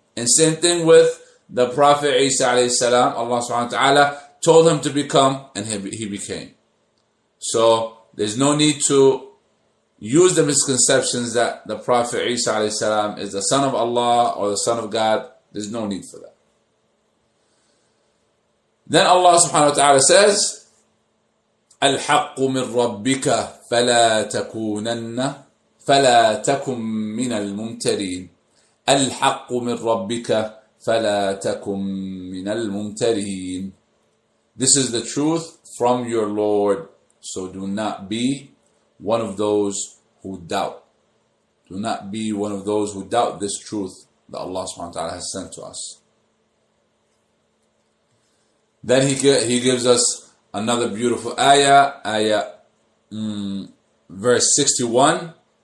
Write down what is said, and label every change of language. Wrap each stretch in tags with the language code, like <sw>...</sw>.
<en>And same thing with the Prophet Isa alayhi salam, Allah subhanahu wa ta'ala told him to become and he became. So there's no need to use the misconceptions that the Prophet Isa alayhi salam is the son of Allah or the son of God. There's no need for that. Then Allah subhanahu wa ta'ala says,</en> <ar>الحق من ربك فلا تكونن فلا تكن من الممترين الحق من ربك فلا تكن من الممترين.</ar> <en>This is the truth from your Lord, so do not be one of those who doubt. Do not be one of those who doubt this truth that Allah subhanahu wa ta'ala has sent to us. Then he gives us another beautiful verse 61.</en>